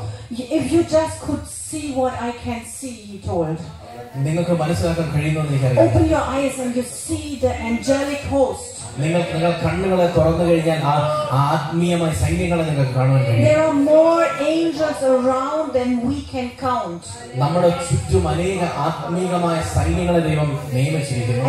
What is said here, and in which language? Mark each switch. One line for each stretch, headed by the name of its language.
English: If you just could see what I can see, he told.
Malayalam: നിങ്ങൾക്ക് മനസ്സിലാക്കാൻ കഴിയുന്ന
English: Open your eyes and you see the angelic host.
Malayalam: നിങ്ങൾ കണ്ണുകളെ തുറന്നു കഴിഞ്ഞാൽ ആ ആത്മീയമായ സൈന്യങ്ങളെ നിങ്ങൾക്ക് കാണാൻ കഴിയും.
English: There are more angels around than we can count.
Malayalam: നമ്മുടെ ചുറ്റും അനേക ആത്മീയമായ സൈന്യങ്ങളെ ദൈവം നിയമിച്ചിരിക്കുന്നു.